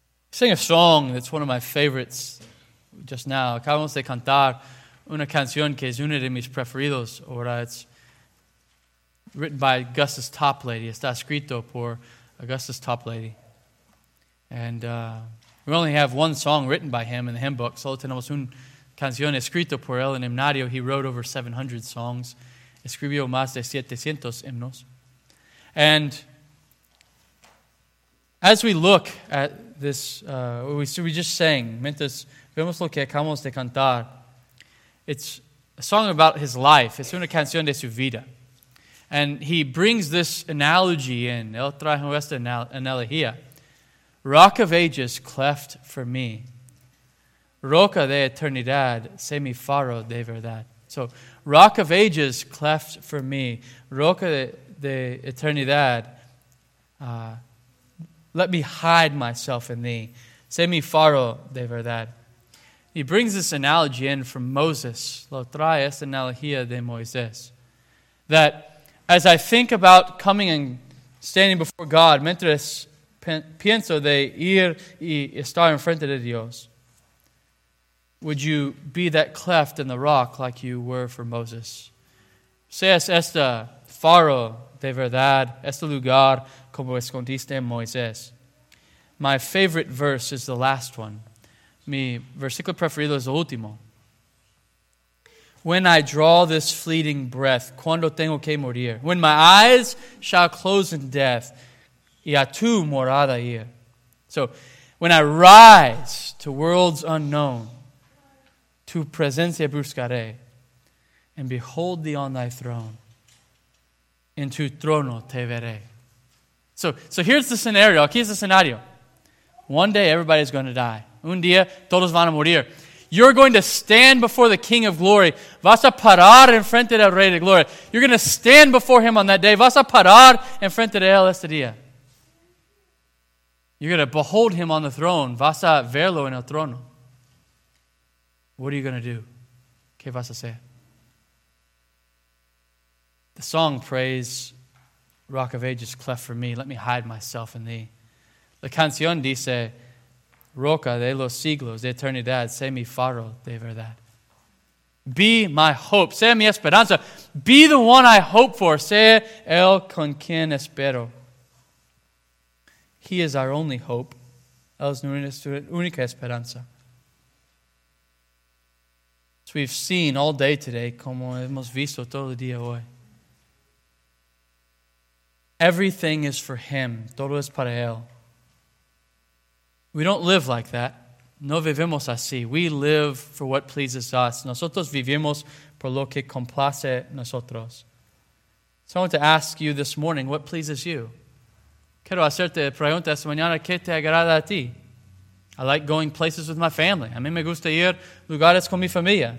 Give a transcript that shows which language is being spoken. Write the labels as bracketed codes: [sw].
[en] Sing a song that's one of my favorites just now. [es] Acabamos de cantar una canción que es una de mis preferidos, ahora [en] it's written by Augustus Toplady. [es] Está escrito por Augustus Toplady. [en] And we only have one song written by him in the hymn book. [es] Solo tenemos una canción escrito por él en himnario. [en] He wrote over 700 songs. [es] Escribió más de 700 himnos. [en] And as we look at this, we just sang, [es] mientras vemos lo que acabamos de cantar, [en] it's a song about his life. [es] Es una canción de su vida. [en] And he brings this analogy in, [es] él trajo esta analogía. [en] Rock of ages cleft for me, [es] roca de eternidad, sé mi faro de verdad. [en] So, rock of ages cleft for me, [es] roca de eternidad, [en] let me hide myself in thee, [es] sé mi faro de verdad. [en] He brings this analogy in from Moses, [es] lo trae esta analogía de Moisés, [en] that as I think about coming and standing before God, [es] mientras pienso de ir y estar en frente de Dios, [en] would you be that cleft in the rock like you were for Moses? [es] Seas este faro de verdad, este lugar como escondiste Moisés. [en] My favorite verse is the last one. [es] Mi versículo preferido es el último. [en] When I draw this fleeting breath, [es] cuando tengo que morir, [en] when my eyes shall close in death, [es] y a tu morada ir. [en] So, when I rise to worlds unknown, [es] tu presencia buscaré, [en] and behold thee on thy throne, [es] en tu trono te veré. [en] So here's the scenario. [es] Aquí es el escenario. [en] One day, everybody's going to die. [es] Un día, todos van a morir. [en] You're going to stand before the King of Glory. [es] Vas a parar en frente del Rey de Gloria. [en] You're going to stand before Him on that day. [es] Vas a parar en frente de Él ese día. [en] You're going to behold Him on the throne. [es] Vas a verlo en el trono. [en] What are you going to do? [es] ¿Qué vas a hacer? [en] The song prays, Rock of Ages, cleft for me. Let me hide myself in thee. [es] La canción dice, Roca de los siglos de eternidad, sé mi faro de verdad. [en] Be my hope, [es] sé mi esperanza. [en] Be the one I hope for, [es] sé el con quien espero. [en] He is our only hope, [es] él es nuestra única esperanza. [en] As we've seen all day today, [es] como hemos visto todo el día hoy. [en] Everything is for Him, [es] todo es para Él. [en] We don't live like that. [es] No vivimos así. [en] We live for what pleases us. [es] Nosotros vivimos por lo que complace nosotros. [en] So I want to ask you this morning, what pleases you? [es] Quiero hacerte pregunta esta mañana, ¿qué te agrada a ti? [en] I like going places with my family. [es] A mí me gusta ir lugares con mi familia.